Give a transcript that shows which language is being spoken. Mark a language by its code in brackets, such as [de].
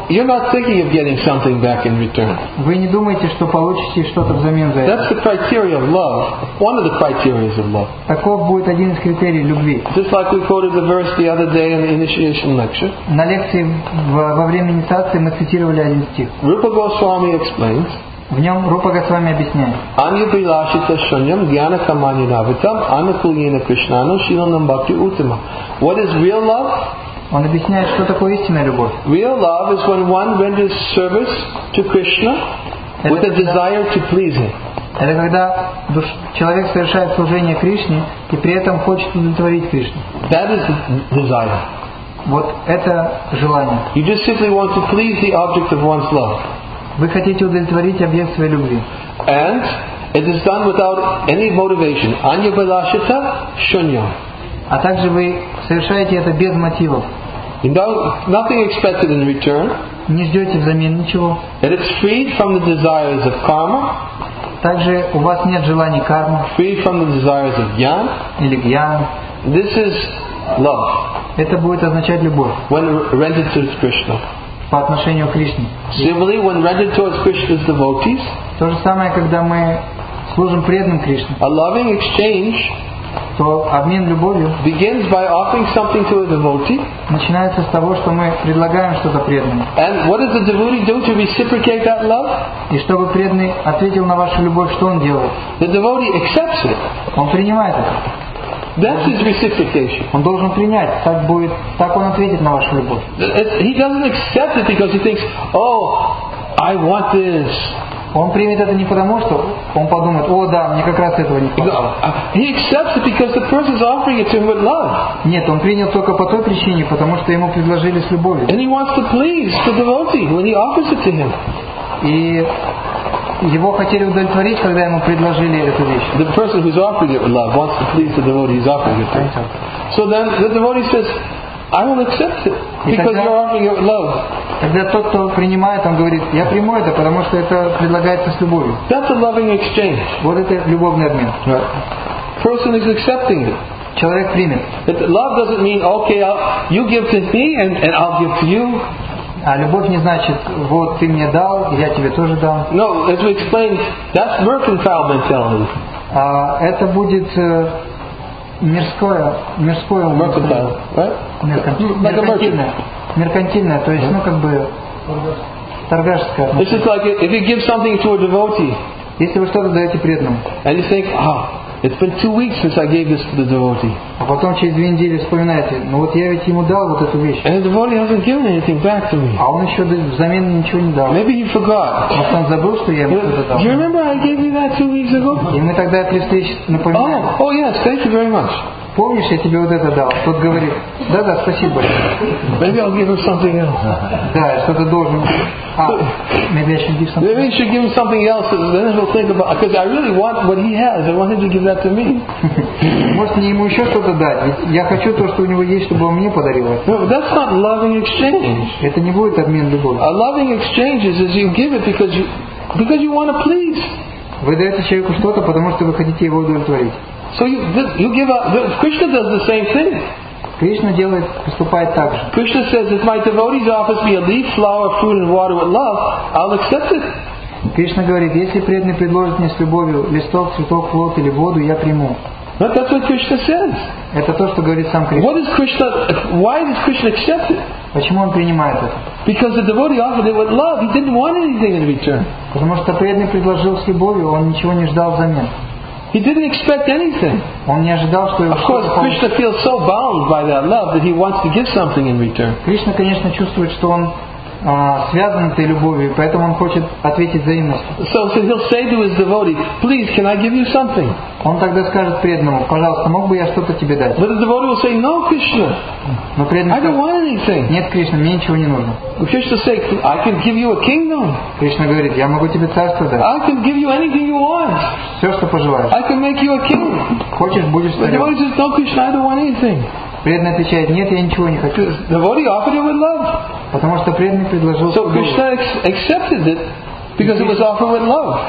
[en] you're not thinking of getting something back in return. [ru] Вы не думаете, что получите что-то взамен за это. [en] That's the criteria of love. One of the criteria of love. [ru] Таков будет один из критерий любви. [en] Just like we quoted the verse the other day in the initiation lecture. [ru] На лекции во время инициации мы цитировали один стих. [en] Rupa Goswami explains. [ru] В нем Рупа Госвами объясняет. [sa] Анюпилашита шуньям гьяна камани навитам анукулина кришнану шиланам бхакти утима. [en] What is real love? [ru] Он объясняет, что такое истинная любовь. [en] Real love is when one renders service to Krishna with a desire to please him. [ru] Это когда человек совершает служение Кришне и при этом хочет удовлетворить Кришну. [en] That is desire. [ru] Вот это желание. [en] You just simply want to please the object of one's love. [ru] Вы хотите удовлетворить объект своей любви. [en] And it is done without any motivation. [sa] Anyabhilashita shunyam. [ru] А также вы совершаете это без мотивов. [en] Nothing expected in return. [ru] Не ждете взамен ничего. [en] It is free from the desires of karma. [ru] Также у вас нет желания кармы. [en] Free from the desires of jnana. [ru] Или jnana. [en] This is love. [ru] Это будет означать любовь. [en] When rendered to Krishna. [ru] По отношению к Кришне. [en] Similarly, when rendered towards Krishna's devotees. [ru] То же самое, когда мы служим преданным Кришне. [en] A loving exchange. [ru] То обмен любовью [en] begins by offering something to a devotee. [ru] Начинается с того, что мы предлагаем что-то преданному. [en] And what does the devotee do to reciprocate that love? [ru] И чтобы преданный ответил на вашу любовь, что он делает? [en] The devotee accepts it. [ru] Он принимает это. [en] That's his reciprocation. [ru] Он должен принять, так будет, так он ответит на вашу любовь. [en] He doesn't accept it because he thinks, oh, I want this. [ru] Он примет это не потому, что он подумает, о, да, мне как раз этого не хватало. [en] He accepts it because the person is offering it to him with love. [ru] Нет, он принял только по той причине, потому что ему предложили с любовью. [en] And he wants to please the devotee when he offers it to him. [ru] И его хотели удовлетворить, когда ему предложили эту вещь. [en] The person who's offering it with love wants to please the devotee he's offering it to. So then the devotee says, I will accept it because you're offering it with love. [ru] Тогда тот, кто принимает, он говорит, я приму это, потому что это предлагается с любовью. [en] That's a loving exchange. [ru] Вот это любовный обмен. [en] Right. Person is accepting it. [ru] Человек примет. [en] But love doesn't mean, okay, you give to me and I'll give to you. [ru] А любовь не значит, вот ты мне дал, я тебе тоже дам. [en] No, as we explained, that's mercantile mentality. [ru] А это будет мирское умение. [en] Mercantile, right? [ru] Меркантильное, то есть, ну, как бы торгашеское. [en] It's just like if you give something to a devotee. [ru] Если вы что-то даете преданному. [en] And you think, ah, it's been 2 weeks since I gave this to the devotee. [ru] А потом через две недели вспоминаете, ну вот я ведь ему дал вот эту вещь. [en] And the devotee hasn't given anything back to me. [ru] А он еще взамен ничего не дал. [en] Maybe he forgot. [ru] Может, он забыл, что я ему это дал. [en] Do you remember I gave you that 2 weeks ago? [ru] И мы тогда при встрече напоминаем. [en] Oh, yes, thank you very much. [ru] Помнишь, я тебе вот это дал? Тот говорит, да-да, спасибо. [en] Maybe I'll give him something else. [ru] Да, я что-то должен. [en] Maybe I should give something. Maybe you should give him something else, then he'll think about. Because I really want what he has. I want him to give that to me. [ru] Может, мне ему еще что-то дать? Ведь я хочу то, что у него есть, чтобы он мне подарил. [en] No, that's not loving exchange. [ru] Это не будет обмен любовью. [en] A loving exchange is you give it because you want to please. [ru] Вы даете человеку что-то, потому что вы хотите его удовлетворить. [en] So you give up. Krishna does the same thing. [ru] Krishna делает, поступает так же. [en] Krishna says, if my devotees offer me a leaf, flower, food, and water with love, I'll accept it. [ru] Krishna говорит, если преданный предложит мне с любовью листок, цветок, плод или воду, я приму. [en] But that's what Krishna says. [ru] Это то, что говорит сам Кришна. [en] What is Krishna? Why does Krishna accept it? [ru] Почему он принимает это? [en] Because the devotee offered it with love. He didn't want anything in return. [ru] Потому что преданный предложил с любовью, он ничего не ждал взамен. [en] He didn't expect anything. [ru] Он не ожидал, что его. [en] Of course, Krishna feels so bound by that love that he wants to give something in return. [ru] Кришна, конечно, чувствует, что он связан этой любовью, поэтому он хочет ответить взаимностью. [en] So he'll say to his devotee, "Please, can I give you something?" [ru] Он тогда скажет преданному, пожалуйста, мог бы я что-то тебе дать? [en] But the devotee will say, "No, Krishna." [ru] Но преданный скажет, [en] "I don't want anything." [ru] Нет, Кришна, мне ничего не нужно. [en] Krishna says, "I can give you a kingdom." [ru] Кришна говорит, я могу тебе царство дать. [en] I can give you anything you want. [ru] Все, что пожелаешь. [en] I can make you a king. [ru] Хочешь, будешь царем. [en] The devotee says, "No, Krishna, I don't want anything." [ru] Преданный отвечает, нет, я ничего не хочу. [en] The devotee offered it with love. [ru] Потому что преданный предложил. [en] So Krishna accepted it because it was offered with love.